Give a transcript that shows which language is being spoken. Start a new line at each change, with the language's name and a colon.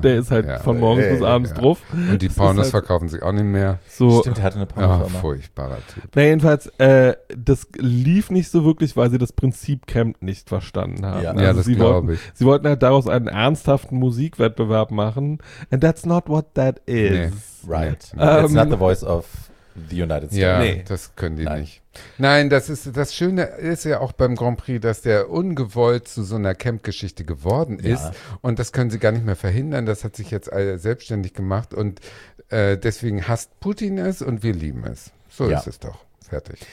German: Der ist halt von morgens bis abends drauf. Und die Pornos verkaufen sich auch nicht mehr. So, stimmt, der hatte eine Pornofirma. Ach, furchtbarer Typ. Naja, jedenfalls, das lief nicht so wirklich, weil sie das Prinzip Camp nicht verstanden haben. Ja, also das glaube ich. Sie wollten halt daraus einen ernsthaften Musikwettbewerb machen.
English: And that's not what that is.
German: Nee.
English: Right. It's not the voice of the United States.
German: Ja, das können die nicht. Nein, das ist das Schöne ist ja auch beim Grand Prix, dass der ungewollt zu so einer Camp-Geschichte geworden ist. Und das können sie gar nicht mehr verhindern. Das hat sich jetzt selbstständig gemacht. Und deswegen hasst Putin es und wir lieben es. So ist es doch. Fertig.